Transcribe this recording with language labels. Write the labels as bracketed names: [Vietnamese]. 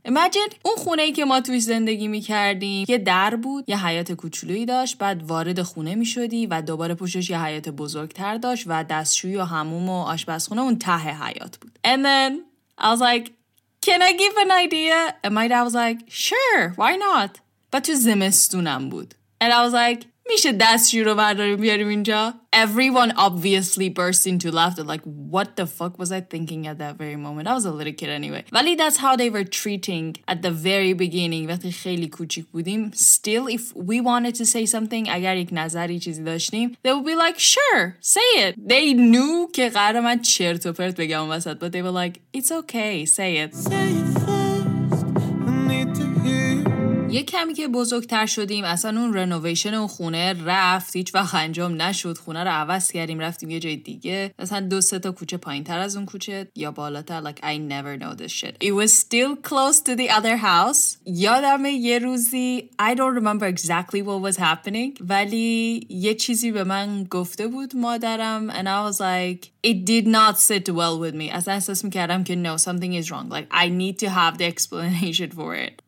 [Persian] Imagine, اون خونه ای که ما توش زندگی میکردیم یه در بود, یه حیات کوچولویی داشت, بعد وارد خونه میشدی و دوباره پشتش یه حیات بزرگتر داشت و دستشویی و حموم و آشپزخونه اون ته حیات بود. [English] And then I was like, can I give an idea? And my dad was like, sure, why not? [Persian] But تو زمستونم بود. [English] And I was like, [Persian] میشه دستشوی رو برداریم بیاریم اینجا. [English] Everyone obviously burst into laughter. Like, what the fuck was I thinking at that very moment? I was a little kid anyway. ولی that's how they were treating at the very beginning. [Persian] وقتی خیلی کوچیک بودیم. [English] Still, if we wanted to say something, [Persian] اگر یک نظری چیزی داشتیم, [English] they would be like, sure, say it. They knew [Persian] که قرار من چرت و پرت بگم وسط. [English] But they were like, it's okay, say it. Say it. [Persian] یه کمی که بزرگتر شدیم اصلا اون رنوویشن اون خونه رفت, هیچ وقت انجام نشد, خونه رو عوض کردیم رفتیم یه جای دیگه, اصلا دو سه تا کوچه پایین‌تر از اون کوچه یا بالاتر, [English] like I never know this shit. It was still close to the other house. [Persian] یادمه یه روزی, [English] I don't remember exactly what was happening, [Persian] ولی یه چیزی به من گفته بود مادرم [English] and I was like, it did not sit well with me. [Persian] اصلا احساس میکردم که [English] no, something is wrong, like I need to have the explanation for it.